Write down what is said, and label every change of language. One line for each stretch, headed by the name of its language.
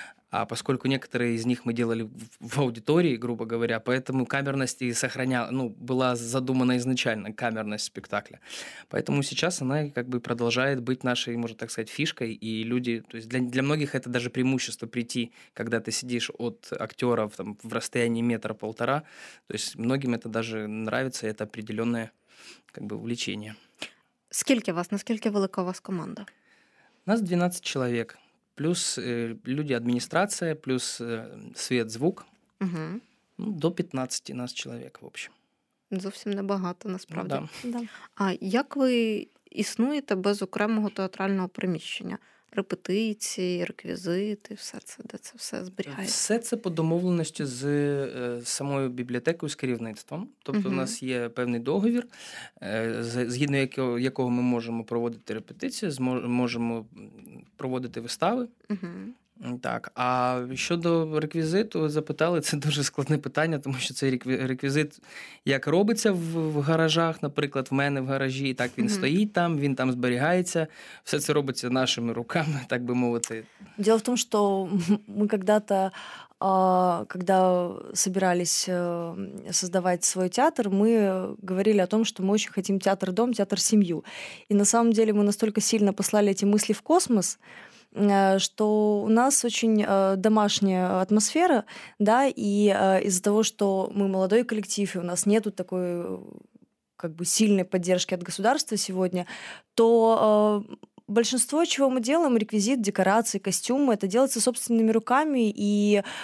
Russian: а поскольку некоторые из них мы делали в аудитории, грубо говоря, поэтому камерность и сохраняла, ну, была задумана изначально камерность спектакля, поэтому сейчас она как бы продолжает быть нашей, можно так сказать, фишкой, и люди, то есть для многих это даже преимущество прийти, когда ты сидишь от актеров там в расстоянии метра-полтора, то есть многим это даже нравится, это определенное как бы увлечение.
Ukrainian: Скільки вас, наскільки велика у вас команда? У нас 12 чоловік, плюс люди адміністрація, плюс світ, звук. Угу. Ну, до 15 нас чоловік,
Russian: в общем.
Ukrainian: Зовсім небагато, насправді. Ну, да. А як ви існуєте без окремого театрального приміщення? Репетиції, реквізити, все це, де це все зберігається? Все це по домовленості з самою бібліотекою, з керівництвом. Тобто у нас є певний договір, згідно якого ми можемо проводити репетиції, можемо проводити вистави. Так, а щодо реквізиту, ви запитали, це дуже складне питання, тому що цей реквізит, як робиться в гаражах, наприклад, в мене в гаражі, так він стоїть там, він там зберігається, все це робиться нашими руками, так би мовити. Діло в тому, що ми
Russian: когда-то, когда собирались создавать свой театр, мы говорили о том, что мы очень хотим театр-дом, театр-семью. И на самом деле мы настолько сильно послали эти мысли в космос, что у нас очень домашняя атмосфера, да, и из-за того, что мы молодой коллектив, и у нас нету такой как бы сильной поддержки от государства сегодня, то большинство, чего мы делаем, реквизит, декорации, костюмы, это делается собственными руками, и